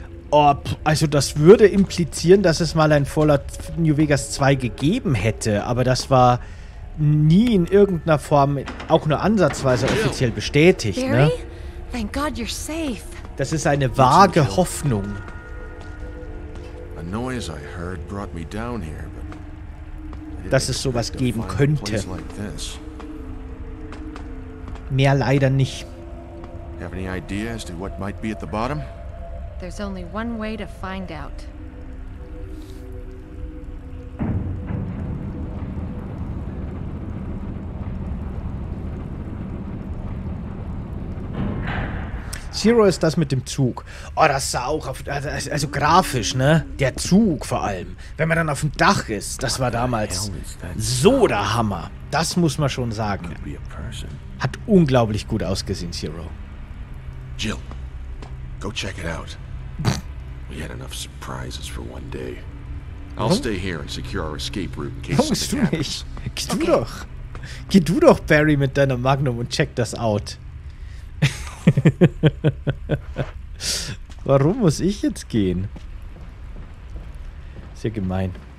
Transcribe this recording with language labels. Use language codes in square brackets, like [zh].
[de] Ob, also das würde implizieren, dass es mal ein Fallout New Vegas 2 gegeben hätte, aber das war nie in irgendeiner Form, auch nur ansatzweise offiziell bestätigt, ne? [en] Thank God you're safe. [de] Das ist eine vage Hoffnung. [en] A noise I heard brought me down here, but [de] dass es sowas geben könnte. Mehr leider nicht. [en] Have any idea as to what might be at the bottom? There's only one way to find out. [de] Zero ist das mit dem Zug. Oh, das sah auch auf, also grafisch, ne? Der Zug vor allem. Wenn man dann auf dem Dach ist, das war damals so der Hammer. Das muss man schon sagen. Hat unglaublich gut ausgesehen, Zero. [en] Jill, go check it out. We had enough surprises for one day. I'll stay here and secure our escape route in case something happens. [de] Warum bist du nicht? Geh du doch. Geh du doch, Barry, mit deiner Magnum und check das out. Warum muss ich jetzt gehen? Ist ja gemein.